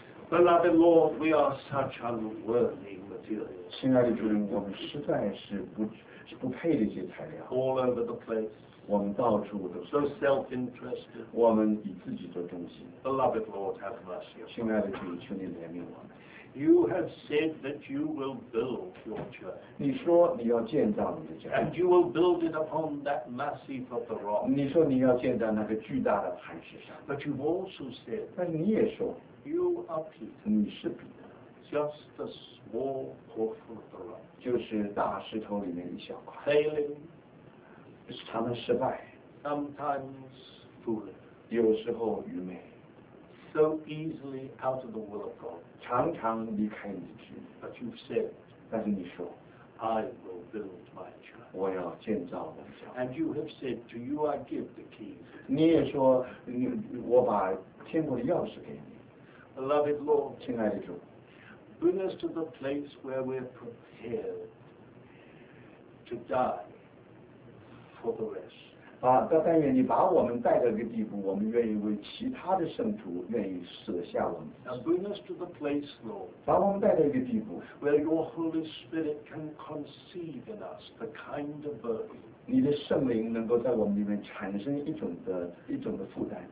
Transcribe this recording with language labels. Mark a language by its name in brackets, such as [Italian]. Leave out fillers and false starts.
[English] Beloved Lord, we are such unworthy materials. [Chinese] 亲爱的主人，我们实在是不配这些材料。 [English] All over the place. [Chinese] 我们到处都是。 [English] So self-interested. [Chinese] 我们以自己做中心。 [English] Beloved Lord, have mercy. [Chinese] 亲爱的主，求你怜悯我们。 [English] You have said that you will build your church. [Chinese] 你说你要建造你的教会。 [English] And you will build it upon that massive of the rock. [Chinese] 你说你要建造那个巨大的磐石上。 [English] But you've also said. [Chinese] 但是你也说。 [English] You are Peter. [Chinese] 你是彼得。 [English] Just a small portion of the rock. [Chinese] 就是大石头里面一小块。 [English] Failing. [Chinese] 常常失败。 [English] Sometimes foolish. [Chinese] 有时候愚昧。 [English] So easily out of the will of God. [Chinese] 常常离开你的旨意。 [English] But you've said. [Chinese] 但是你说。 [English] I will build my church. [Chinese] 我要建造我的教会。 [English] And you have said to you, I give the keys. [Chinese] 你也说，我把天国的钥匙给你。 [English] Beloved Lord. [Chinese] 亲爱的主。 [English] Bring us to the place where we're prepared to die for the rest. [Chinese] 啊，但愿你把我们带到一个地步，我们愿意为其他的圣徒愿意舍下我们。 [English] And bring us to the place, Lord. [Chinese] 把我们带到一个地步 [English] ，where Your Holy Spirit can conceive in us the kind of burden. [Chinese] 你的圣灵能够在我们里面产生一种的负担。